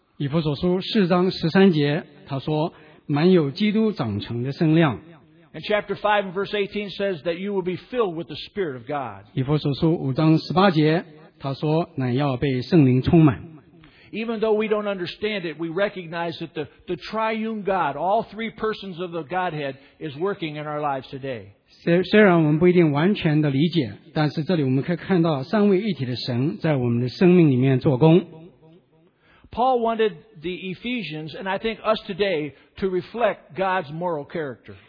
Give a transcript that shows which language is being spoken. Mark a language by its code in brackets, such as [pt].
[zh] 以弗所书四章十三节他说，满有基督长成的圣量。 [en] And chapter 5 and verse 18 says that you will be filled with the Spirit of God. [zh] 以弗所书五章十八节他说乃要被圣灵充满。 [en] Even though we don't understand it, we recognize that the triune God, all three persons of the Godhead, is working in our lives today. [zh] 虽然我们不一定完全的理解，但是这里我们可以看到三位一体的神在我们的生命里面做工。 [en] Paul wanted the Ephesians, and I think us today, to reflect God's moral character.